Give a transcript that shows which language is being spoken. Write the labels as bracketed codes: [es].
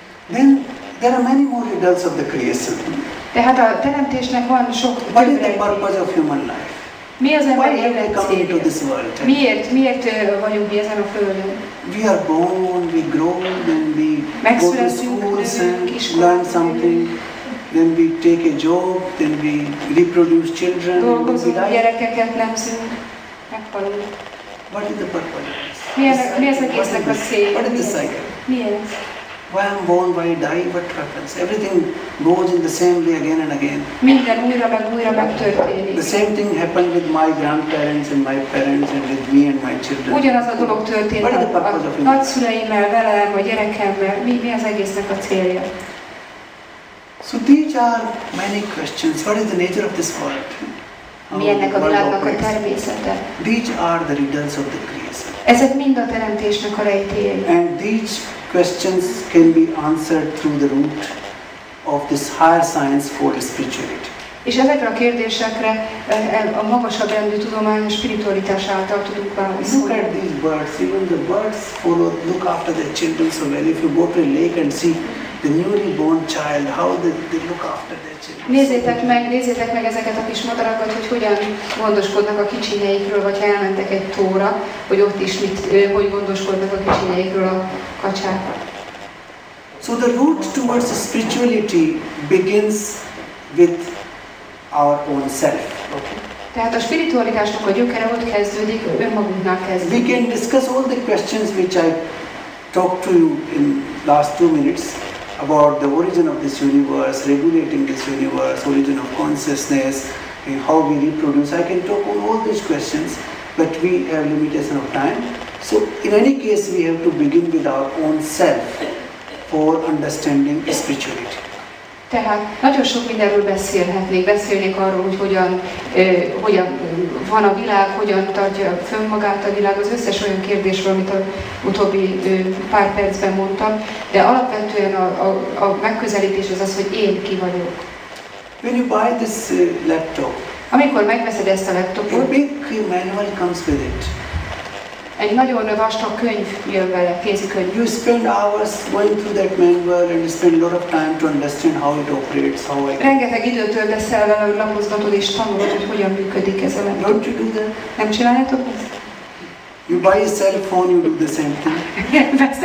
[en] Then there are many more riddles of the creation. [hu] Tehát a teremtésnek van sok. [en] What is the purpose of human life? [hu] Mi az ember életének? [en] Why have we come into this world? [hu] Miért vagyunk mi ezen a földön? [en] We are born, we grow, then we go to schools and learn something. Then we take a job, then we reproduce children. [hu] Dolgozunk, gyerekeket nemzünk, meghalunk. [en] What is the purpose? [hu] Mi az egésznek a célja? [en] What is the cycle? [hu] Mi ez? [en] Why I'm born, why I die, what happens? Everything goes in the same way again and again. [hu] Minden újra megtörténik. [en] The same thing happened with my grandparents and my parents and with me and my children. [hu] Ugyanaz a dolog történt. [en] What is the purpose of it? [hu] Nagyszüleimmel, velem, a gyerekemmel. Mi az egésznek a célja? [en] So these are many questions. What is the nature of this world? [hu] Mi ennek a világnak a természete? [en] These are the riddles of the creation. [hu] Ezek mind a teremtésnek a rejtélyei. [en] And these questions can be answered through the root of this higher science called spirituality. [hu] És ezekre a kérdésekre a magasabb rendű tudomány, a spiritualitás által tudunk válaszolni. [en] Look at these birds. Even the birds follow, look after their children so well. If you go to a lake and see the newly born child, how they look after their children. [hu] Nézzétek meg ezeket a kis madarakat, hogy hogyan gondoskodnak a kicsinyeikről, vagy ha elmentek egy tóra, hogy ott is hogy gondoskodnak a kicsinyeikről a kacsák. [en] So the route towards spirituality begins with our own self. [hu] Tehát a spiritualitásnak a gyökere ott kezdődik, önmagunknak kezdődik. [en] We can discuss all the questions which I talked to you in last 2 minutes. About the origin of this universe, regulating this universe, origin of consciousness, and how we reproduce. I can talk on all these questions, but we have limitation of time. So in any case, we have to begin with our own self for understanding spirituality. [hu] Tehát nagyon sok mindenről beszélnék arról, hogy hogyan van a világ, hogyan tartja fönn magát a világ, az összes olyan kérdésről, amit az utóbbi pár percben mondtam, de alapvetően a megközelítés az, hogy én ki vagyok. [en] When you buy this laptop, [hu] amikor megveszed ezt a laptopot, [en] a big manual comes with it. [hu] Egy nagyon vastag könyv jön vele, kézikönyv. [en] You spend hours going through that manual and spend a lot of time to understand how it operates, how I can. [hu] Rengeteg időt töltesz el vele, hogy lapozgatod és tanulod, hogy hogyan működik ez a [en] laptop. Don't you do that? [hu] Nem csináljátok ezt? [en] You buy a cell phone, you do the same thing.